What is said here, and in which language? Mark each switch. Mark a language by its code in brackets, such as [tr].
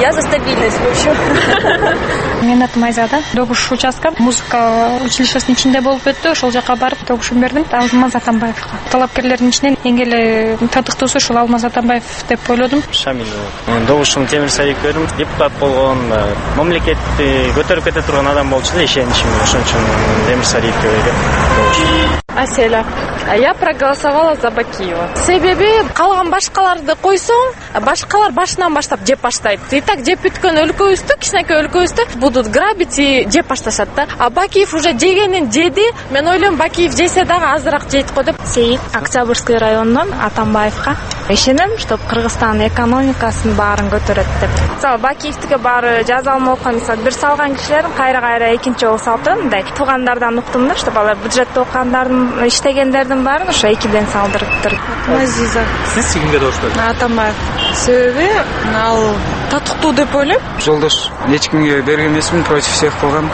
[ru] Я за стабильность, в общем. [ky] Менин атым Айзада. Добуш участка музыка училищесинин ичинде болуп өттү. Ошол жака барып добушумду бердим Алмаз Атамбаевге. Талапкерлердин ичинен эң эле татыктуусу ушул Алмаз Атамбаев деп ойлодум. Шамил. Менин добушум Темирсариевке бердим. Депутат болгон, мамлекетти көтөрүп кете турган адам болчу да, ишеничим. Ошон үчүн Темирсариевке бергем. Аселя. [ru] Я проголосовала за Бакиева. [ky] Себеби калган башкаларды койсоң, башкалар башынан баштап жеп баштайт. [ru] Итак, [ky] жеп бүткөн өлкөбүздү, кичинекей өлкөбүздү [ru] будут грабить [ky] и жеп башташат да. [ru] А Бакиев уже [ky] жегенин жеди. Мен ойлойм, Бакиев жесе дагы азыраак жейт го деп. Сейит, Октябрьский районунун Атамбаевка. Ишенем, [ru] чтоб [ky] Кыргызстан экономикасын баарын көтөрөт деп. Мисалы Бакиевдике баары жаза алмай калган, мисалы бир салган кишилерин кайра-кайра экинчи жолу салып атат. Мындай туугандардан уктум да, [ru] чтоб [ky] алар бюджетте окугандардын иштеген дердин баарын ошо экиден салдырып туруп. Азиза. Сиз кимге добуш бердиңиз? Атамбаев. Себеби ал татыктуу деп ойлойм. Жолдош, эч кимге берген эмесмин, [ru] против всех [ky] болгам.